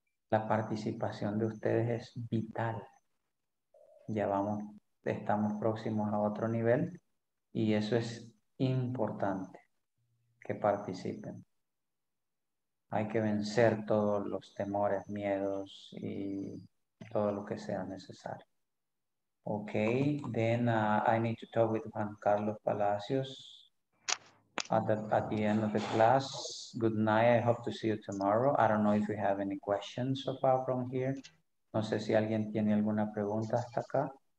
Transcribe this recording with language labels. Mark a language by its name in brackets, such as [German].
[Spanish] La participación de ustedes es vital. Ya vamos, estamos próximos a otro nivel y eso es importante, que participen. Hay que vencer todos los temores, miedos y todo lo que sea necesario. [English] Okay, then I need to talk with Juan Carlos Palacios at the end of the class. Good night, I hope to see you tomorrow. I don't know if we have any questions so far from here. [Spanish] No sé si alguien tiene alguna pregunta hasta acá.